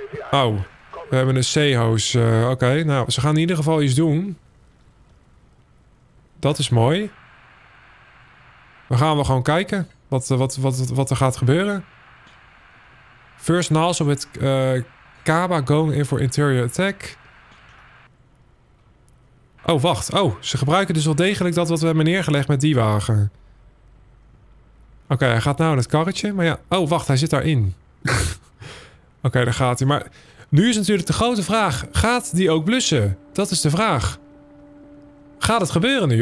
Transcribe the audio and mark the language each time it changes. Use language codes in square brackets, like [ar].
[nl] Oh, we hebben een C-hoos. Oké, nou, ze gaan in ieder geval iets doen. Dat is mooi. We gaan wel gewoon kijken wat er gaat gebeuren. [en] First nozzle with Kaba going in for interior attack. [nl] Oh, wacht. Oh, ze gebruiken dus wel degelijk dat wat we hebben neergelegd met die wagen. Oké, hij gaat nou in het karretje. Maar ja, oh, wacht, hij zit daarin. Oké, daar gaat hij. Maar nu is natuurlijk de grote vraag. Gaat die ook blussen? Dat is de vraag. Gaat het gebeuren nu?